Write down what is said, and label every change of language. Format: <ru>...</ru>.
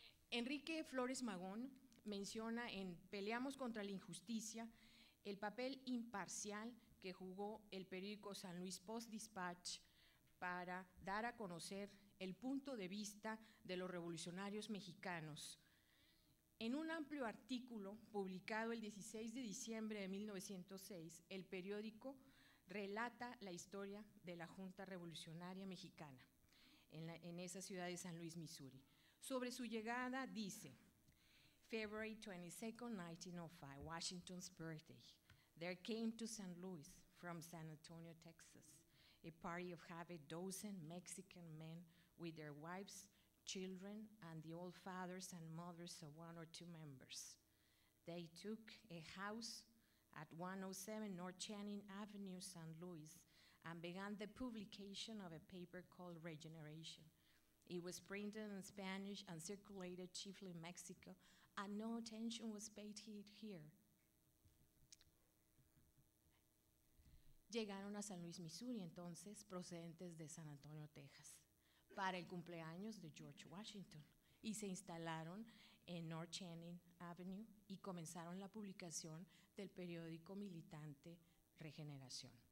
<es>Enrique Flores Magón menciona en Peleamos contra la Injusticia el papel imparcial que jugó el periódico San Luis Post-Dispatch para dar a conocer el punto de vista de los revolucionarios mexicanos. En un amplio artículo publicado el 16 de diciembre de 1906, el periódico relata la historia de la Junta Revolucionaria Mexicana en esa ciudad de San Luis, Missouri. Sobre su llegada dice,</es> <en>February 22, 1905, Washington's birthday, there came to San Luis from San Antonio, Texas, a party of half a dozen Mexican men with their wives, children, and the old fathers and mothers of one or two members. They took a house at 107 North Channing Avenue, San Luis, and began the publication of a paper called Regeneration. It was printed in Spanish and circulated chiefly in Mexico, and no attention was paid here.</en> <es>Llegaron a San Luis, Missouri, entonces, procedentes de San Antonio, Texas, para el cumpleaños de George Washington, y se instalaron en North Channing Avenue y comenzaron la publicación del periódico militante Regeneración.</es>